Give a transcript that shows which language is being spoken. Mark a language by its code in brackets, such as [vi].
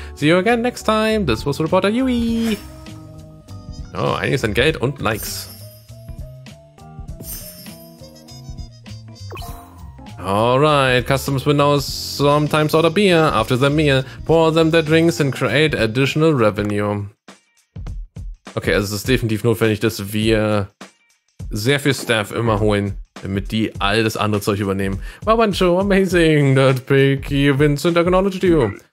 [en] See you again next time. This was reporter Yui. [de] Oh, einiges an Geld und Likes. [en] Alright, customers will now sometimes order beer after the meal, pour them their drinks and create additional revenue. [de] Okay, also es ist definitiv notwendig, dass wir sehr viel Staff immer holen, damit die all das andere Zeug übernehmen. [en] Wow, Pancho, amazing, that picky Vincent acknowledged you.